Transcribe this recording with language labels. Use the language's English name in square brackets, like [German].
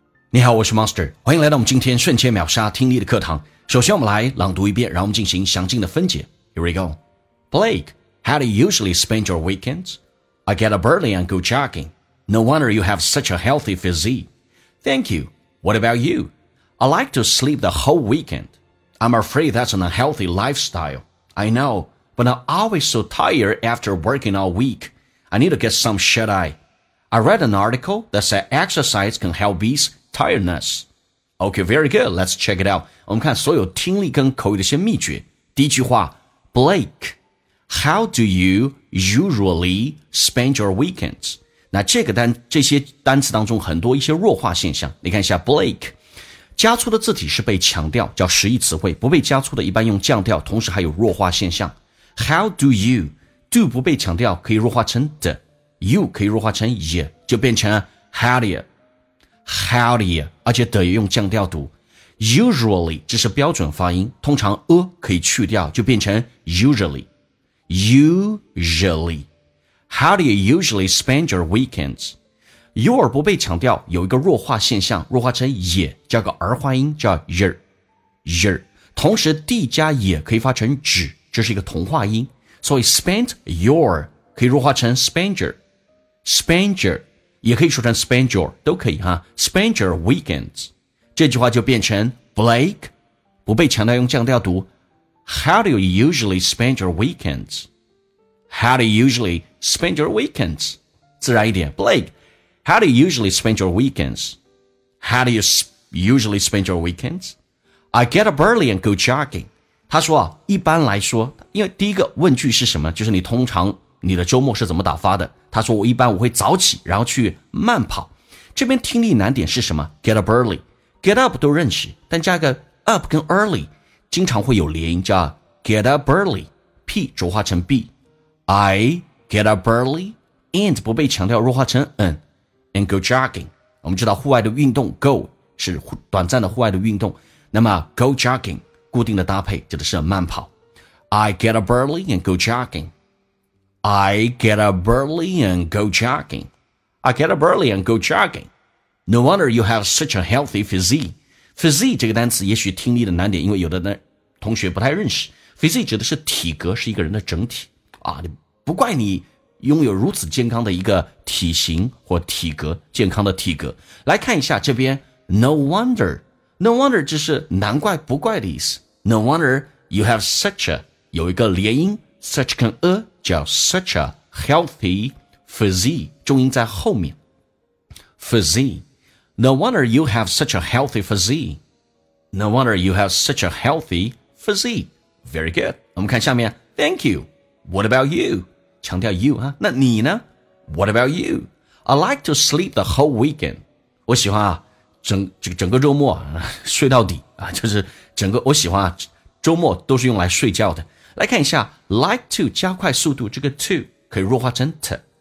[Chinese] 你好，我是 Monster， 欢迎来到我们今天瞬间秒杀听力的课堂。首先我们来朗读一遍，然后我们进行详尽的分解。 [English] Here we go. Blake, how do you usually spend your weekends? I get up early and go jogging. No wonder you have such a healthy physique. Thank you. What about you? I like to sleep the whole weekend. I'm afraid that's an unhealthy lifestyle. I know, but I'm always so tired after working all week. I need to get some shut-eye. I read an article that said exercise can help beastiredness. Okay, very good. Let's check it out. [Chinese] 我们看所有听力跟口语的一些秘诀。第一句话， [English] Blake, how do you usually spend your weekends? [Chinese] 那这个单这些单词当中很多一些弱化现象。你看一下 Blake, 加粗的字体是被强调，叫实义词汇，不被加粗的一般用降调，同时还有弱化现象。 How do you, do 不被强调可以弱化成 the, you 可以弱化成 ye, 就变成 [English] how do you,How do you? [Chinese] 而且得用降调读 Usually 这是标准发音，通常 a 可以去掉，就变成 usually [English] Usually How do you usually spend your weekends? [Chinese] Your 不被强调，有一个弱化现象，弱化成也，叫个儿化音，叫 yer 同时 d 加也可以发成止，这是一个同化音，所以 spend your 可以弱化成 spend your也可以说成 spend your, 都可以哈。 [English] spend your weekends. [Chinese] 这句话就变成 Blake, 不被强调用降调读 [English] How do you usually spend your weekends? How do you usually spend your weekends? [Chinese] 自然一点 [English] Blake, how do you usually spend your weekends? How do you usually spend your weekends? I get up early and go jogging. [Chinese] 他说一般来说，因为第一个问句是什么，就是你通常你的周末是怎么打发的，他说我一般我会早起然后去慢跑。这边听力难点是什么？ [English] Get up early, get up [Chinese] 都认识，但加个 up 跟 early 经常会有连音，叫 [English] get up early, [Chinese] P 浊化成 B, [English] I get up early and [Chinese] 不被强调弱化成 N, [English] and go jogging, [Chinese] 我们知道户外的运动 go 是短暂的户外的运动，那么 go jogging 固定的搭配指的是慢跑。 [English] I get up early and go joggingI get up early and go jogging. I get up early and go jogging. No wonder you have such a healthy physique. [Chinese] Physique 这个单词也许听力的难点，因为有的呢同学不太认识。 Physique 指的是体格，是一个人的整体啊。不怪你拥有如此健康的一个体型或体格，健康的体格。来看一下这边 ，No wonder. No wonder 这是难怪不怪的意思。 [English] No wonder you have such a [Chinese] 有一个连音 [English] ，such 跟 a。叫 such a healthy physique, [Chinese] 重音在后面。 [English] physique. No wonder you have such a healthy physique. No wonder you have such a healthy physique. Very good. [Chinese] 我们看下面。 [English] Thank you. What about you? 强调 you, 啊。 [Chinese] 那你呢？ [English] What about you? I like to sleep the whole weekend. [Chinese] 我喜欢啊整个周末睡到底啊，就是整个我喜欢啊周末都是用来睡觉的。来看一下 like to 加快速度，这个 to 可以弱化成 t.